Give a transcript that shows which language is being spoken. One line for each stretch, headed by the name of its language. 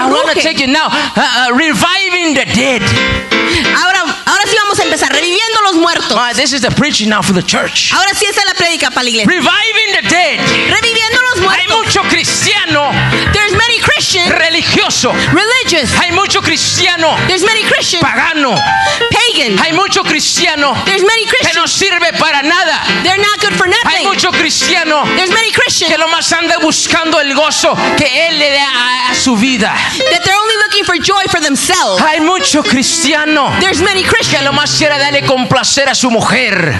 English: I want to take you now reviving the dead.
Spanish: Ahora sí vamos a empezar reviviendo los muertos.
English: Right, this is the preaching now for the church.
Spanish: Ahora sí esta es la predica para la iglesia.
English: Reviving the dead.
Spanish: Reviviendo los muertos. Hay mucho cristiano.
English: There's many Christians.
Spanish: Religioso.
English: Religious.
Spanish: Hay mucho cristiano.
English: There's many Christians.
Spanish: Pagano.
English: Pagan.
Spanish: Hay mucho cristiano.
English: There's many Christians.
Spanish: Que no sirve para nada.
English: They're not good for nothing.
Spanish: Hay mucho cristiano.
English: There's many Christians.
Spanish: Que lo más anda buscando el gozo que él le da a su vida.
English: That they're only looking for joy for themselves.
Spanish: Hay mucho cristiano.
English: There's many Christians.
Spanish: Que lo más quiere darle complacer a su mujer.